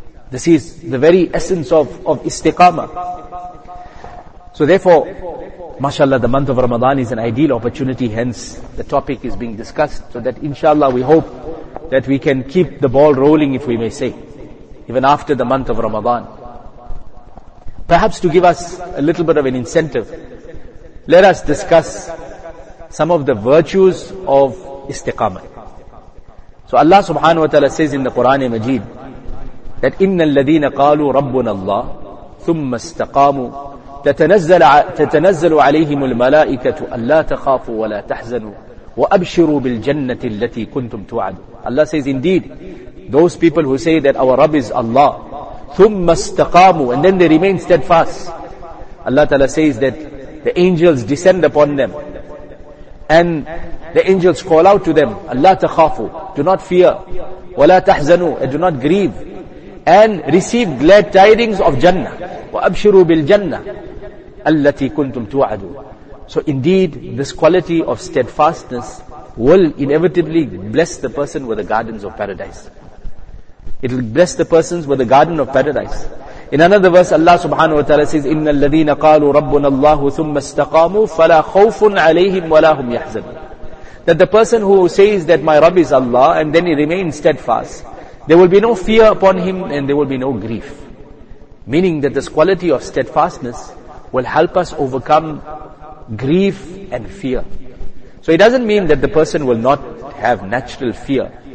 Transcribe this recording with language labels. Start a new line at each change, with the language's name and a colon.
English: This is the very essence of istiqamah. So therefore, mashallah, the month of Ramadan is an ideal opportunity, hence the topic is being discussed, so that inshallah we hope that we can keep the ball rolling, if we may say, even after the month of Ramadan. Perhaps to give us a little bit of an incentive, let us discuss some of the virtues of istiqamah. So Allah subhanahu wa ta'ala says in the Quran Majeed that
Arabic: إِنَّ الَّذِينَ قَالُوا رَبُّنَا اللَّهِ ثُمَّ اسْتَقَامُوا تَتَنَزَّلُ عَلَيْهِمُ الْمَلَائِكَةُ أَلَّا تَخَافُوا وَلَا تَحْزَنُوا وَأَبْشِرُوا بِالْجَنَّةِ الَّتِي كُنْتُمْ تُوَعَدُوا.
English: Allah says, indeed, those people who say that our Rabb is Allah,
Arabic: ثُمَّ اسْتَقَامُوا,
English: and then they remain steadfast. Allah Ta'ala says that the angels descend upon them, and the angels call out to them,
Arabic: أَلَّا تَخَافُوا,
English: do not fear,
Arabic: وَلَا تَحْزَنُوا,
English: and do not grieve, and receive glad tidings of Jannah.
Arabic: وَأَبْشِرُوا بِالْجَنَّةِ الَّتِي كُنْتُمْ تُوَعَدُونَ.
English: So indeed, this quality of steadfastness will inevitably bless the person with the gardens of paradise. It will bless the persons with the garden of paradise. In another verse, Allah subhanahu wa ta'ala says,
Arabic: إِنَّ الَّذِينَ قَالُوا رَبُّنَ اللَّهُ ثُمَّ اسْتَقَامُوا فَلَا خَوْفٌ عَلَيْهِمْ وَلَا هُمْ يَحْزَنُونَ.
English: That the person who says that my Rabb is Allah, and then he remains steadfast, there will be no fear upon him and there will be no grief. Meaning that this quality of steadfastness will help us overcome grief and fear. So it doesn't mean that the person will not have natural fear.